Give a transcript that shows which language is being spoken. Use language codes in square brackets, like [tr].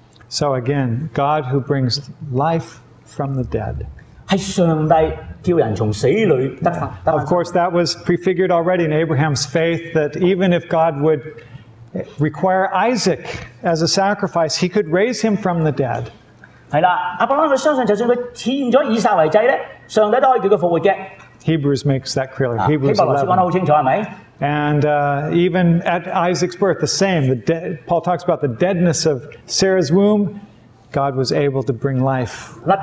[en] So again, God who brings life from the dead. Of course, that was prefigured already in Abraham's faith that even if God would require Isaac as a sacrifice, he could raise him from the dead. [zh] 是的,阿伯拉罕相信就算他欠了以撒為祭,上帝都可以叫他復活的。 [en] Hebrews makes that clear, Hebrews 11. And even at Isaac's birth, the same, Paul talks about the deadness of Sarah's womb, God was able to bring life.